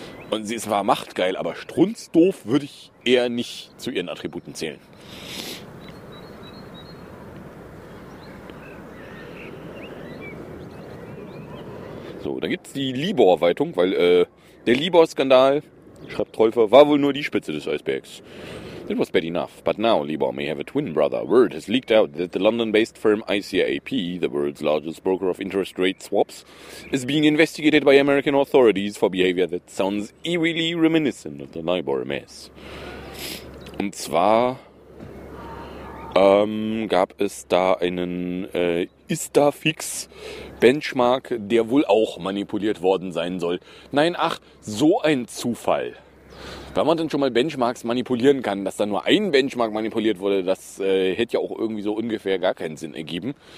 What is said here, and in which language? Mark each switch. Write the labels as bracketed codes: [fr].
[de] Und sie ist zwar machtgeil, aber strunzdoof würde ich eher nicht zu ihren Attributen zählen. So, da gibt's die Libor-Weitung, weil der Libor-Skandal, schreibt Teufel, war wohl nur die Spitze des Eisbergs. [en] It was bad enough, but now Libor may have a twin brother. Word has leaked out that the London-based firm ICAP, the world's largest broker of interest rate swaps, is being investigated by American authorities for behavior that sounds eerily reminiscent of the Libor mess. [de] Und zwar gab es da einen Istafix Benchmark, der wohl auch manipuliert worden sein soll. Nein, ach, so ein Zufall. Wenn man dann schon mal Benchmarks manipulieren kann, dass da nur ein Benchmark manipuliert wurde, das hätte ja auch irgendwie so ungefähr gar keinen Sinn ergeben.